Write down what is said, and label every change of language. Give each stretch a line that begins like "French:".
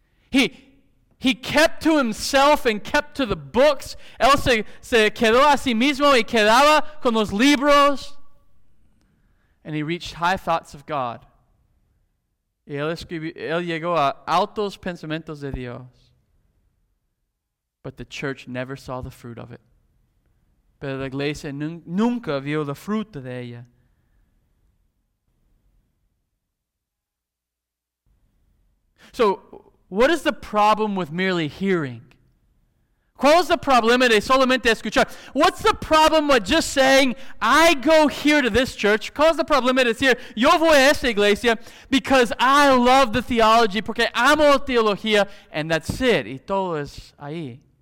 English: He kept to himself and kept to the books.
Spanish: Él se quedó a sí mismo y quedaba con los libros.
English: And he reached high thoughts of God.
Spanish: Y él llegó a altos pensamientos de Dios.
English: But the church never saw the fruit of it.
Spanish: Pero la iglesia nunca vio la fruta de ella.
English: So, what is the problem with merely hearing?
Spanish: ¿Cuál es el problema de solamente escuchar?
English: What's the problem with just saying, I go here to this church?
Spanish: ¿Cuál es el problema de decir, yo voy a esta iglesia
English: because I love the theology,
Spanish: porque amo la teología,
English: and that's it,
Spanish: y todo es ahí?